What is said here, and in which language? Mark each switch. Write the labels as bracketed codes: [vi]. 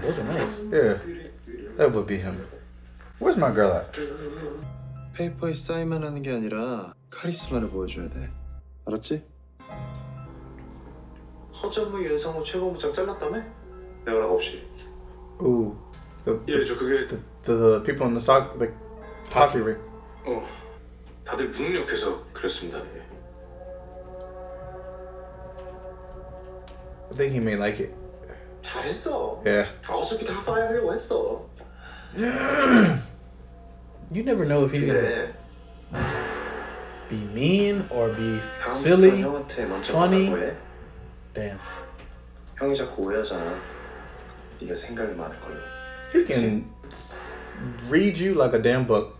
[en] those are nice. Yeah, that would be him. Where's my girl at? [ko] 페이퍼에 사인만 하는 게 아니라 카리스마를 보여줘야 돼. 알았지? 허전무 윤상호 최고부장 잘랐다며? 연락 없이. [en] Ooh. [ko] 예, 저 그게 [en] the people in the sock, the hockey rink. [ko] 어, 다들 무능력해서 그랬습니다. [en] I think he may like it. [ko] 잘했어. [en] Yeah. [ko] 어차피 다 파이하려고 했어. [en] You never know if he's gonna be mean or be silly, funny. Damn. [ko] 형이 자꾸 오해하잖아. 네가 생각이 많을걸. [en] He can read you like a damn book.